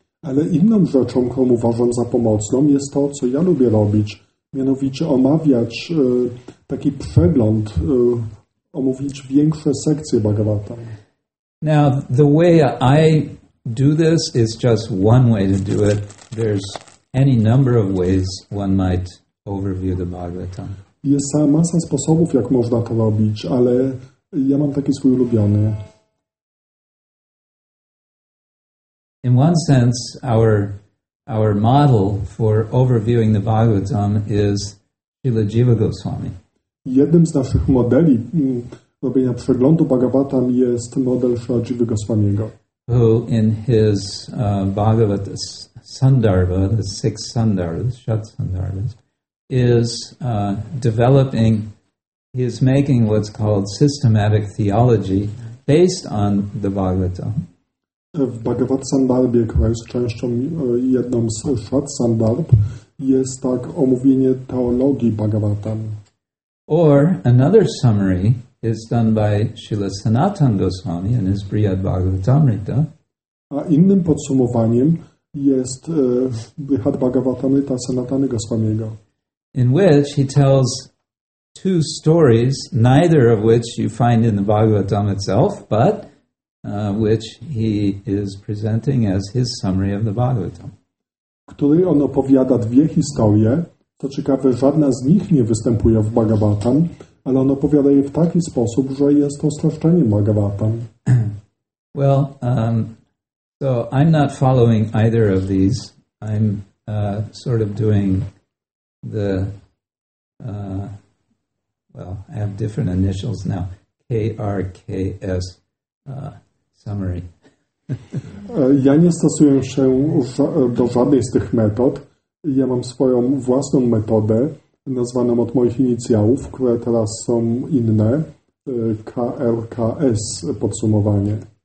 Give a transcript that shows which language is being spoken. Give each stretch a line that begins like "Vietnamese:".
Polish: Ale inną rzeczą, którą uważam za pomocną, jest to, co ja lubię robić, mianowicie omawiać taki przegląd, omówić większe sekcje Bhagavatam.
English: Now, the way I do this is just one way to do it. There's any number of ways one might overview the Bhagavatam.
Polish: Jest cała masa sposobów, jak można to robić, ale ja mam taki swój ulubiony.
English: In one sense, our model for overviewing the Bhagavatam is Śrīla Jīva Gosvāmī.
Polish: Jednym z naszych modeli robienia przeglądu Bhagavatam jest model Śrīla Jīva Gosvāmīego.
English: Who in his Bhagavata Sandarbha, the six Sandarbhas, Shat Sandarbhas, is developing, he is making what's called systematic theology based on the Bhagavata.
Polish: W Bhagavat Sandarbhie, która jest częścią jedną z Shat Sandarbh, jest tak omówienie teologii Bhagavata.
English: Or another summary is done by Śrīla Sanātan Gosvāmī in his Brihad Bhagavatamrita.
Polish: A innym podsumowaniem jest Brihad Bhagavatamrita Sanatana Gosvāmīga.
English: In which he tells two stories, neither of which you find in the Bhagavatam itself, but which he is presenting as his summary of the Bhagavatam.
Polish: Który on opowiada dwie historie, co ciekawe, żadna z nich nie występuje w Bhagavatam, ale on opowiada je w taki sposób, że jest to streszczenie Bhagavatam.
English: Well, so I'm not following either of these. I'm sort of doing the, well, I have different initials now. KRKS summary.
Polish: Ja nie stosuję się do żadnej z tych metod. Ja mam swoją własną metodę, nazwaną od moich inicjałów, które teraz są inne, KLKS podsumowanie.